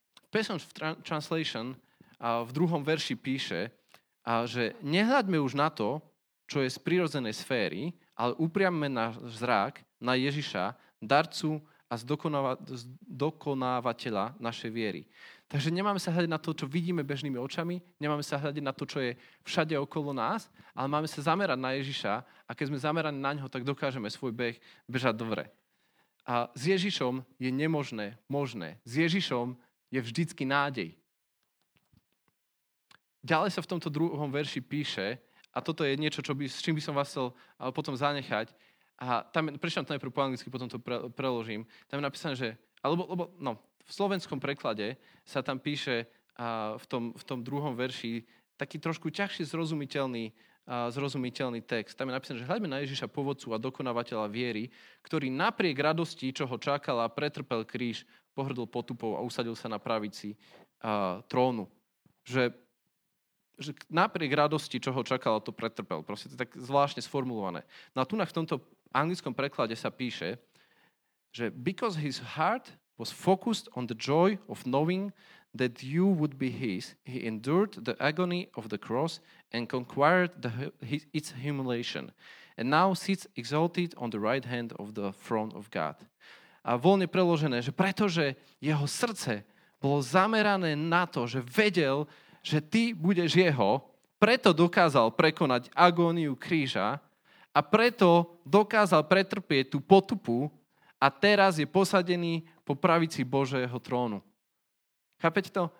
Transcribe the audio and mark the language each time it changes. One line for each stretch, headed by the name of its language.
Slovak: Passage Translation v druhom verši píše, že nehľadme už na to, čo je z prirodzenej sféry, ale upriamme náš zrak na Ježiša, darcu a zdokonávateľa našej viery. Takže nemáme sa hľadiť na to, čo vidíme bežnými očami, nemáme sa hľadiť na to, čo je všade okolo nás, ale máme sa zamerať na Ježiša a keď sme zameraní na ňo, tak dokážeme svoj beh bežať dobre. A s Ježišom je nemožné možné. S Ježišom je vždycky nádej. Ďalej sa v tomto druhom verši píše, a toto je niečo, s čím by som vás chcel potom zanechať, a tam prečítam to najprv po anglicky, potom to preložím, tam je napísané, že v slovenskom preklade sa tam píše v tom druhom verši taký trošku ťažšie zrozumiteľný text. Tam je napísané, že hľadme na Ježiša, pôvodcu a dokonávateľa viery, ktorý napriek radosti, čo ho čakala, pretrpel kríž, pohrdol potupou a usadil sa na pravici trónu. Že napriek radosti, čo ho čakala, to pretrpel. Proste to je tak zvláštne sformulované. No a tu v tomto anglickom preklade sa píše, že
English: because his heart was focused on the joy of knowing that you would be his, he endured the agony of the cross and conquered its humiliation. And now sits exalted on the right hand of the throne of God.
Slovak: A voľne preložené, že pretože jeho srdce bolo zamerané na to, že vedel, že ty budeš jeho, preto dokázal prekonať agóniu kríža a preto dokázal pretrpieť tú potupu a teraz je posadený po pravici Božieho trónu. Chápete to?